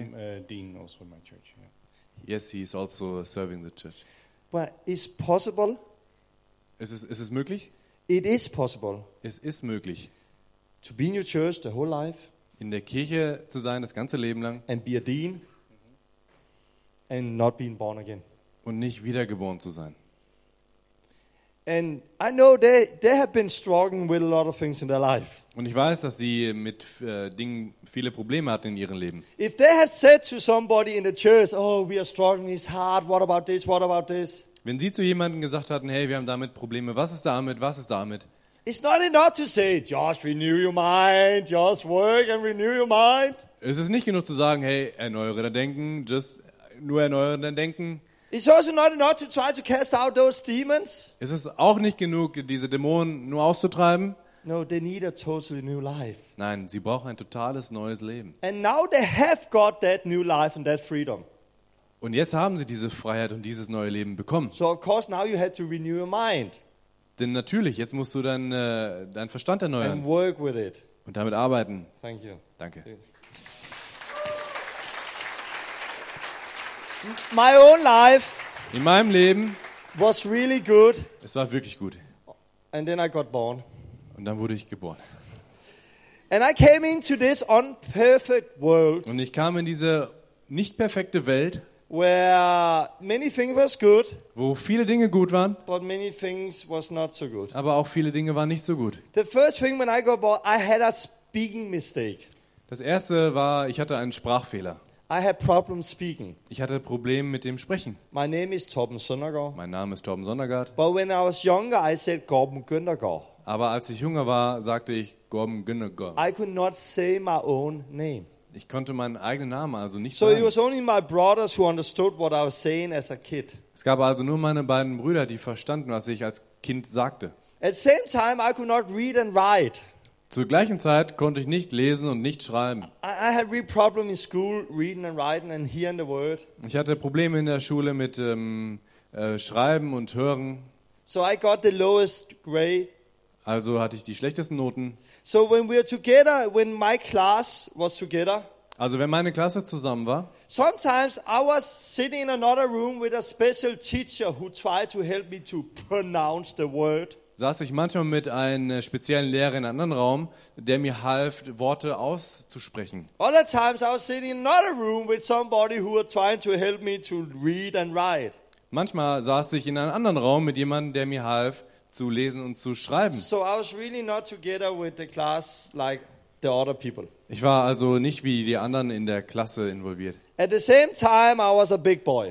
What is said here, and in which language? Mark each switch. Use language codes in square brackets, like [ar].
[en] Yes, I'm a dean also in my church. Yeah. Yes, he is also serving the church. But is possible? [de] Ist es möglich? [en] It is possible. [de] Es ist möglich. [en] To be in your church the whole life. [de] In der Kirche zu sein das ganze Leben lang. [en] And be a dean. Mm-hmm. And not being born again. [de] Und nicht wiedergeboren zu sein. [en] And I know they have been struggling with a lot of things in their life. [de] Und ich weiß, dass sie mit Dingen viele Probleme hatten in ihrem Leben. [en] If they have said to somebody in the church, oh, we are struggling, it's hard, what about this, what about this? [de] Wenn sie zu jemandem gesagt hatten, hey, wir haben damit Probleme, was ist damit, was ist damit? [en] It's not enough to say, just renew your mind, just work and renew your mind. [de] Es ist nicht genug zu sagen, hey, erneuere dein Denken, just nur erneuere dein Denken. [en] It's also not enough to try to cast out those demons. [de] Es ist auch nicht genug, diese Dämonen nur auszutreiben. [en] No, they need a totally new life. [de] Nein, sie brauchen ein totales neues Leben. [en] And now they have got that new life and that freedom. [de] Und jetzt haben sie diese Freiheit und dieses neue Leben bekommen. [en] So of course now you had to renew your mind. [de] Denn natürlich, jetzt musst du dein Verstand erneuern. [en] And work with it. [de] Und damit arbeiten. [en] Thank you. [de] Danke. [en] My own life. [de] In meinem Leben. [en] Was really good. [de] Es war wirklich gut. [en] And then I got born. [de] Und dann wurde ich geboren. [en] And I came into this unperfect world. [de] Und ich kam in diese nicht perfekte Welt. [en] Where many things was good, [de] wo viele Dinge gut waren, [en] but many things was not so good. [de] Aber auch viele Dinge waren nicht so gut. [en] The first thing when I got born, I had a speaking mistake. [de] Das erste war, ich hatte einen Sprachfehler. [en] I had problems speaking. [de] Ich hatte Probleme mit dem Sprechen. [en] My name is Torben Sondergaard. [de] Mein Name ist Torben Sondergaard. [en] But when I was younger, I said Gorben Gündergaard. [de] Aber als ich jünger war, sagte ich Gorben Gündergaard. [en] I could not say my own name. [de] Ich konnte meinen eigenen Namen also nicht so sagen. [en] So it was only my brothers who understood what I was saying as a kid. [de] Es gab also nur meine beiden Brüder, die verstanden, was ich als Kind sagte. [en] At the same time I could not read and write. [de] Zur gleichen Zeit konnte ich nicht lesen und nicht schreiben. [en] I had real problems in school reading and writing and hearing the word. [de] Ich hatte Probleme in der Schule mit Schreiben und Hören. [en] So I got the lowest grade. [de] Also hatte ich die schlechtesten Noten. [en] So when we were together, when my class was together. [de] Also wenn meine Klasse zusammen war. [en] Sometimes I was sitting in another room with a special teacher who tried to help me to pronounce the word. [de] Saß ich manchmal mit einem speziellen Lehrer in einem anderen Raum, der mir half, Worte auszusprechen. [en] Other times I was sitting in another room with somebody who was trying to help me to read and write. [de] Manchmal saß ich in einem anderen Raum mit jemandem, der mir half, zu lesen und zu schreiben. [en] So I was really not together with the class like the other people. [de] Ich war also nicht wie die anderen in der Klasse involviert. [en] At the same time I was a big boy.